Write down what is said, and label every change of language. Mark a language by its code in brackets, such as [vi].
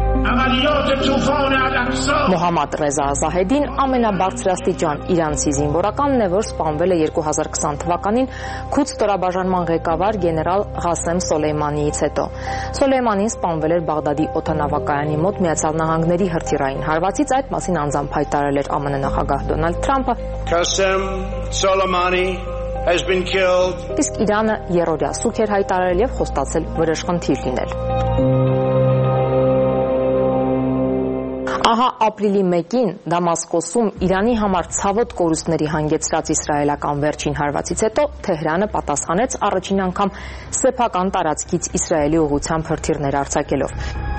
[hy] Մոհամադ Ռեզա Զահեդին ամենաբարձրաստիճան իրանցի զինվորականն է, որ սպանվել է 2020 թվականին քուց ստորաբաժանման ղեկավար գեներալ Ղասեմ Սոլեյմանիից հետո։ Սոլեյմանին սպանվել էր Բաղդադի օդանավակայանի մոտ Միացյալ Նահանգների հրթիռային հարվածից, այդ մասին անձամբ հայտարարել էր ԱՄՆ նախագահ Դոնալդ Թրամփը։ [en] Ղասեմ Սոլեյմանի has been killed. [hy] Իսկ Իրանը երորդ սուքեր հայտարարել եւ խոստացել վրեժխնդիր լինել։ Ահա ապրիլի 1-ին Դամասկոսում Իրանի համար ցավոտ կորուստների հանգեցրած իսրայելական վերջին հարվածից հետո Թեհրանը պատասխանեց առաջին անգամ սեփական տարածքից իսրայելի ուղղությամբ հրթիռներ արձակելով։